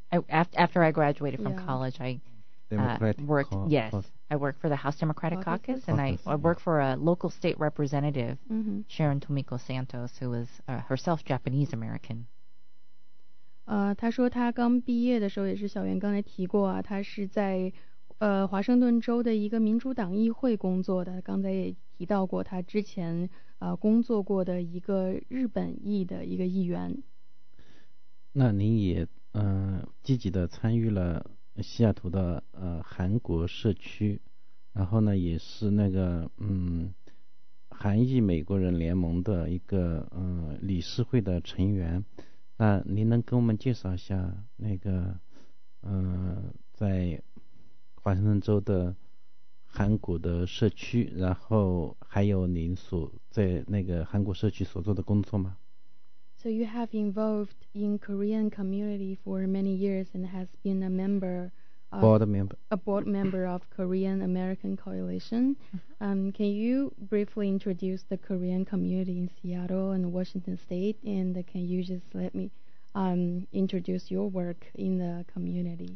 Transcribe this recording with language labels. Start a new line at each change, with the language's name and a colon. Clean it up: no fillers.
English: After I graduated from college, I worked for the House Democratic Caucus, and I worked for a local state representative, Sharon Tomiko Santos, who was herself Japanese American.
Chinese: 他说他刚毕业的时候，也是小袁刚才提过啊，他是在华盛顿州的一个民主党议会工作的。刚才也提到过他之前工作过的一个日本裔的一个议员。那您也积极的参与了西雅图的韩国社区，然后呢也是那个韩裔美国人联盟的一个理事会的成员。那您能跟我们介绍一下那个在华盛顿州的韩国的社区，然后还有您所在那个韩国社区所做的工作吗？
English: So you have involved in Korean community for many years and has been a member of board member of Korean American Coalition. Can you briefly introduce the Korean community in Seattle and Washington State, and can you just let me introduce your work in the community?